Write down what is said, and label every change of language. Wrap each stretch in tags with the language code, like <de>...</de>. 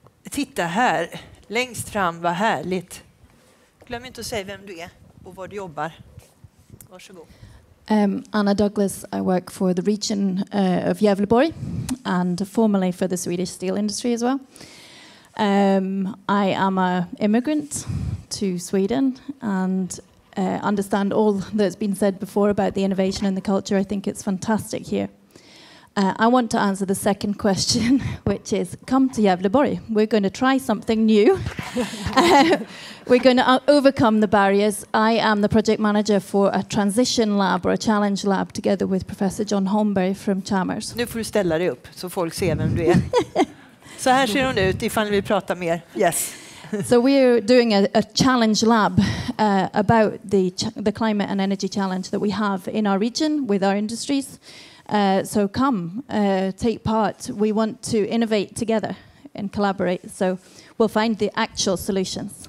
<sv>Titta här, längst fram, vad härligt. Glöm inte att säga vem du är och var du jobbar. Varsågod.</sv> <en>Anna Douglas, I work for the region of Gävleborg and formerly for the Swedish steel industry as well. I am an immigrant to Sweden and understand all that's been said before about the innovation and the culture. I think it's fantastic here. I want to answer the second question, which is, come to Gävleborg. We're going to try something new. We're going to overcome the barriers. I am the project manager for a transition lab or a challenge lab together with Professor John Holmberg from Chalmers.</en> <sv>Nu får du ställa dig upp så folk ser vem du är. Så här ser hon ut ifall vi pratar mer.</sv> <en>Yes. So we're doing a challenge lab about the climate and energy challenge that we have in our region with our industries. So come, take part. We want to innovate together and collaborate. So we'll find the actual solutions.</en>